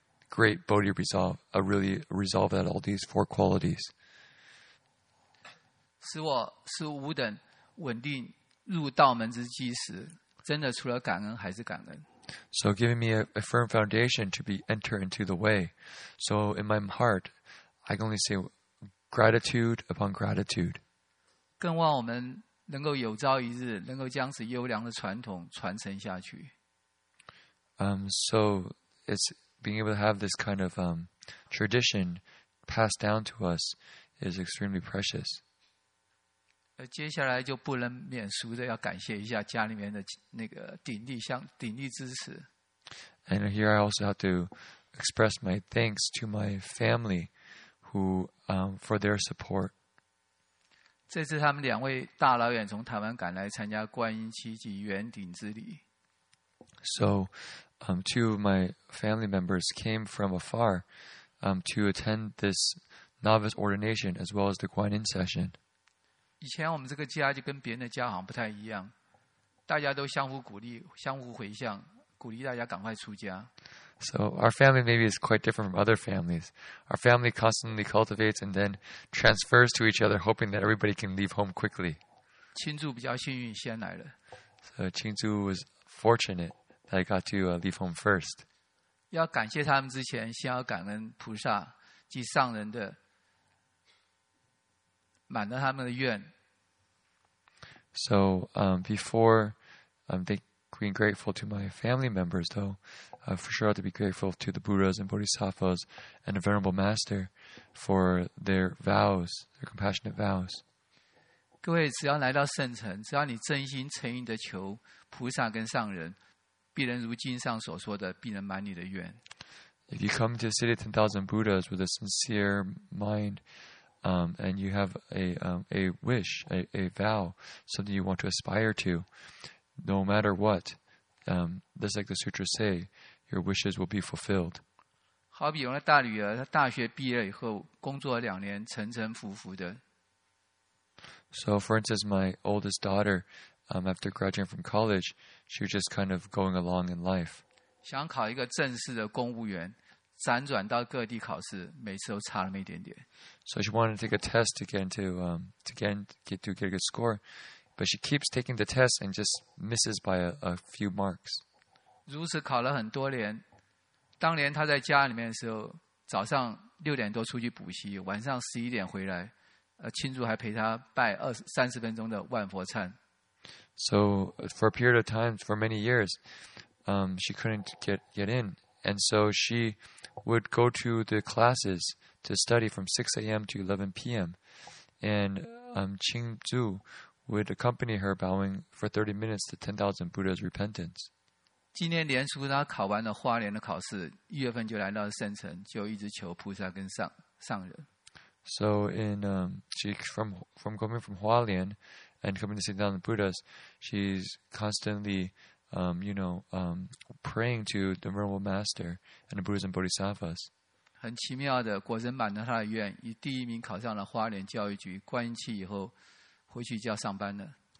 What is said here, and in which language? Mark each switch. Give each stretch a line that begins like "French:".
English: great Bodhi resolve, a really resolve at all these four qualities.
Chinese: 使我无等稳定入道门之基石，真的除了感恩还是感恩。
English: So giving me a firm foundation to be enter into the way. So in my heart, I can only say gratitude upon gratitude.
Chinese: 更望我们能够有朝一日能够将此优良的传统传承下去。
English: So it's being able to have this kind of tradition passed down to us is extremely precious.
Chinese: 接下来就不能免俗的要感谢一下家里面的那个鼎力相鼎力支持。
English: And here I also have to express my thanks to my family, who for their support.
Chinese: 这次他们两位大老远从台湾赶来参加观音七级圆顶之礼。
English: So. Two of my family members came from afar to attend this novice ordination as well as the Guan Yin session.
Chinese: 以前我们这个家就跟别人的家好像不太一样，大家都相互鼓励，相互回向，鼓励大家赶快出家。
English: So our family maybe is quite different from other families. Our family constantly cultivates and then transfers to each other, hoping that everybody can leave home quickly.
Chinese: 清祝比较幸运，先来了。
English: So Qingzu was fortunate. I got to leave home first.
Chinese: 要感谢他们之前，先要感恩菩萨及上人的满了他们的愿。
English: So, before being grateful to my family members, though, for sure I have to be grateful to the Buddhas and Bodhisattvas and the Venerable Master for their vows, their compassionate vows.
Chinese: 各位，只要来到圣城，只要你真心诚意的求菩萨跟上人。必能如经上所说的，必能满你的愿。
English: If you come to the city of 10,000 Buddhas with a sincere mind, and you have a wish, a vow, something you want to aspire to, no matter what, just like the sutras say, your wishes will be fulfilled.
Chinese: 好比我的大女儿，她大学毕业以后，工作两年，沉沉浮浮的。
English: So, for instance, my oldest daughter. After graduating from college, she was just kind of going along in life.
Chinese: 想考一个正式的公务员，辗转到各地考试，每次都差那么一点点。
English: So she wanted to take a test again to get a good score, but she keeps taking the test and just misses by a few marks.
Chinese: 如此考了很多年，当年她在家里面的时候，早上六点多出去补习，晚上十一点回来，庆祝还陪她拜30分钟的万佛忏。
English: So for a period of time, for many years, she couldn't get in. And so she would go to the classes to study from 6 a.m. to 11 p.m. And Qingzu would accompany her bowing for 30 minutes to 10,000 Buddha's repentance.
Chinese: 今年年初她考完了花莲的考试，一月份就来到圣城，就一直求菩萨跟上人。
English: So in she from coming from Hualien and coming to sit down with Buddhas, she's constantly, praying to the Venerable Master and the Buddhas and Bodhisattvas.
Chinese: 很奇妙的，果真满了他的愿，以第一名考上了花莲教育局。观音期以后，回去就要上班了。